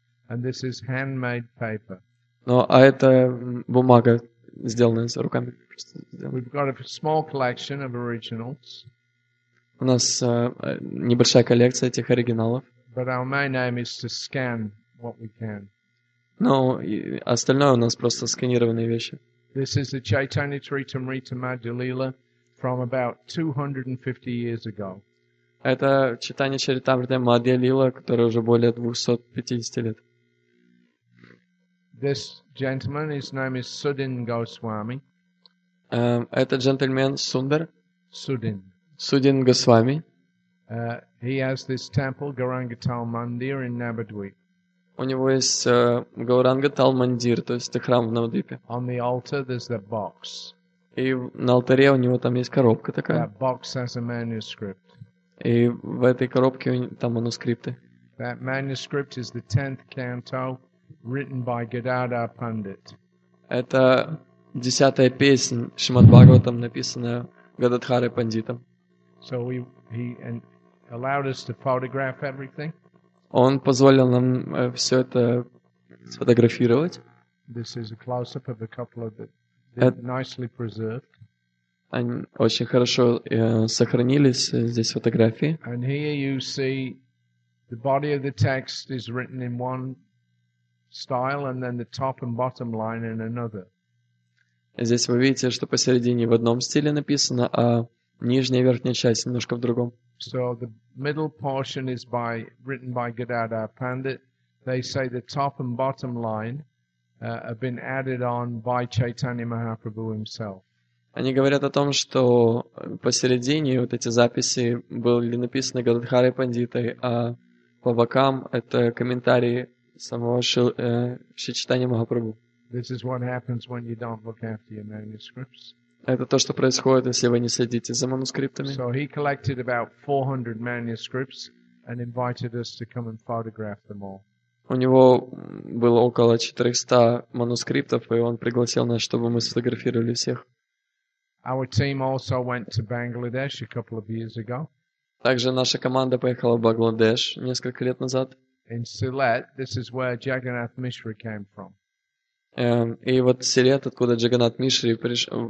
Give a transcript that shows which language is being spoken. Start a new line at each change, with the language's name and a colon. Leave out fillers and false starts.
English: And this is handmade paper.
Russian: Ну, а это бумага, сделанная с руками.
English: We've got a small collection of originals.
Russian: У нас небольшая коллекция этих оригиналов.
English: But our main aim is to scan what we can.
Russian: Ну, остальное у нас просто сканированные вещи.
English: This is the Chaitanya Charitamrita Madhya Lila from about 250 years ago.
Russian: Это Чайтанья Чаритамрита Мадхья Лила, которая уже более 250 лет.
English: This gentleman, his name is Sudhin Goswami.
Russian: Этот джентльмен Сундар.
English: Sudhin. Sudhin Goswami. He has this temple, Gaurangatal Mandir in Navadvip.
Russian: У него есть Gaurangatal Mandir, то есть это храм в Навадвипе.
English: On the altar there's the box.
Russian: И на алтаре у него там есть коробка такая.
English: That box has a manuscript.
Russian: И в этой коробке там манускрипты.
English: That manuscript is the 10th canto. Written by Gadadhar Pandit.
Russian: Это десятая песня Шримад Бхагаватам, написанная Гададхарой Пандитом.
English: So he allowed us to photograph everything.
Russian: Он позволил нам все это сфотографировать.
English: This is a close-up of a couple of the nicely preserved.
Russian: Они очень хорошо сохранились здесь фотографии.
English: And here you see the body of the text is written in one style, and then the top and bottom line in another.
Russian: Здесь вы видите, что посередине в одном стиле написано, а нижняя и верхняя часть немножко в другом.
English: So the middle portion is by written by Gadadhar Pandit. They say the top and bottom line have been added on by Chaitanya Mahaprabhu himself.
Russian: Они говорят о том, что посередине вот эти записи были написаны Гададхарой Пандитой, а по бокам это комментарии самого Шичитания Махапрабху.
English: This is what happens when you don't look after your manuscripts.
Russian: Это то, что происходит, если вы не следите за манускриптами.
English: So he collected about 400 manuscripts and invited us to come and photograph them all.
Russian: У него было около 400 манускриптов, и он пригласил нас, чтобы мы сфотографировали всех.
English: Our team also went to Bangladesh a couple of years ago.
Russian: Также наша команда поехала в Бангладеш несколько лет назад.
English: In Sylhet, this is where Jagannath Mishra came from.
Russian: И вот Sylhet, откуда Джаганнат Мишри пришел.